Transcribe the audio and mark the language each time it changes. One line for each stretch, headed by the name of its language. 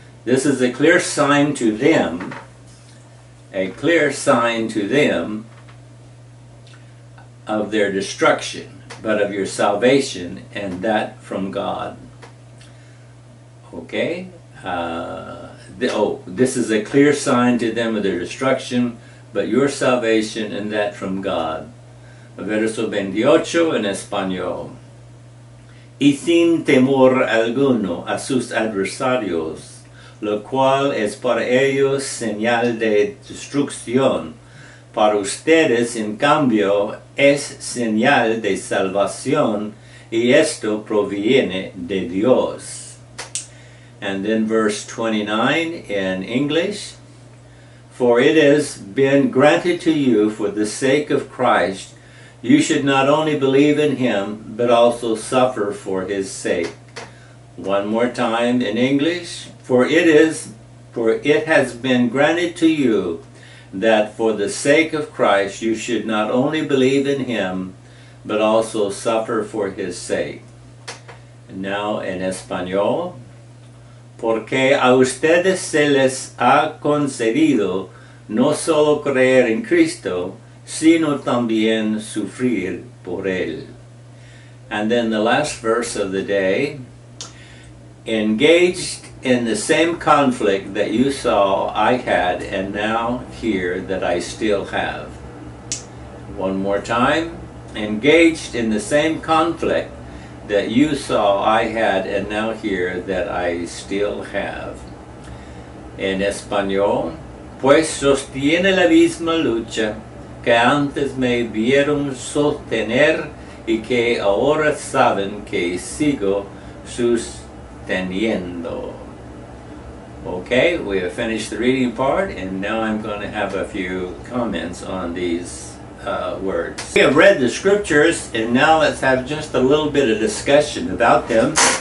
English: This is a clear sign to them. A clear sign to them of their destruction, but of your salvation, and that from God. Okay? This is a clear sign to them of their destruction, but your salvation and that from God.
Spanish: Verso 28 en español. Y sin temor alguno a sus adversarios, lo cual es para ellos señal de destrucción. Para ustedes, en cambio, es señal de salvación, y esto proviene de Dios.
English: And then verse 29 in English. For it has been granted to you for the sake of Christ, you should not only believe in him, but also suffer for his sake. One more time in English. For it has been granted to you that for the sake of Christ, you should not only believe in him, but also suffer for his sake. Now in Espanol.
Spanish: Porque a ustedes se les ha concedido no solo creer en Cristo, sino también sufrir por él.
English: And then the last verse of the day. Engaged in the same conflict that you saw I had and now hear that I still have. One more time. Engaged in the same conflict that you saw I had and now hear that I still have.
Spanish: En español. Pues sostiene la misma lucha que antes me vieron sostener y que ahora saben que sigo sosteniendo.
English: Okay, we have finished the reading part, and now I'm going to have a few comments on these words. We have read the scriptures, and now let's have just a little bit of discussion about them.